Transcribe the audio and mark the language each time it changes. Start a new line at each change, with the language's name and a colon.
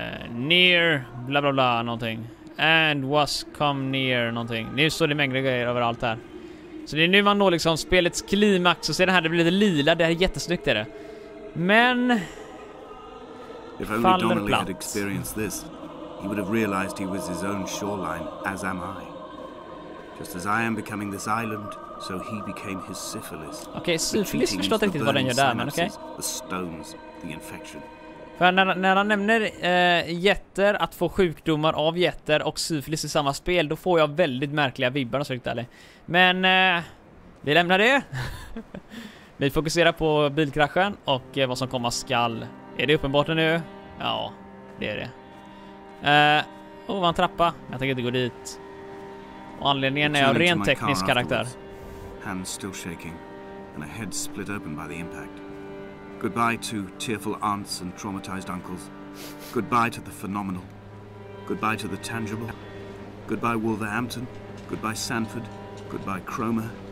English: Near bla bla bla
Swedish: någonting.
English: And was come near
Swedish: någonting. Nu står det mängder grejer överallt här. Så det är nu man når liksom spelets klimax. Och ser det här, det blir lite lila. Det här är jättesnyggt är det. Men
English: if only faller Donnelly platt. Had experienced this, he would have realized he was his own shoreline, as am I. Just as I am becoming this island, so he became his syphilis.
Swedish: Okej, syphilis förstår jag inte riktigt vad den gör där, men okej.
English: The stones, the infection.
Swedish: För när han nämner jätter, att få sjukdomar av jätter och syfilis i samma spel, då får jag väldigt märkliga vibbar, så riktigt. Men vi lämnar det. Vi fokuserar på bilkraschen och vad som kommer skall. Är det uppenbart nu? Ja, det är det. Var en trappa. Jag tänker inte gå dit. Och anledningen är av ren teknisk karaktär.
English: Hand still shaking and a head split open by the impact. Goodbye to tearful aunts and traumatized uncles. Goodbye to the phenomenal. Goodbye to the tangible. Goodbye Wolverhampton. Goodbye Sanford. Goodbye Cromer.